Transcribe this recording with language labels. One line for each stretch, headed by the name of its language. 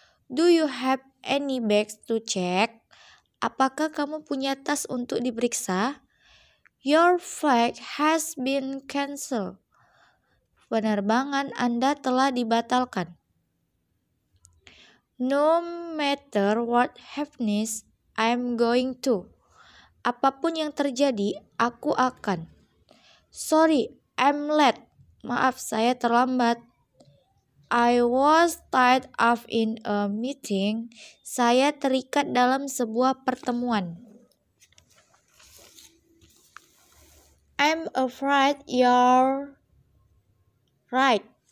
English: Do you have any bags to check?
Indonesian: Apakah kamu punya tas untuk diperiksa?
English: Your flight has been cancelled.
Indonesian: Penerbangan Anda telah dibatalkan.
English: No matter what happens, I'm going to.
Indonesian: Apapun yang terjadi, aku akan.
English: Sorry, I'm late.
Indonesian: Maaf, saya terlambat.
English: I was tied up in a meeting.
Indonesian: Saya terikat dalam sebuah pertemuan.
English: I'm afraid you're right.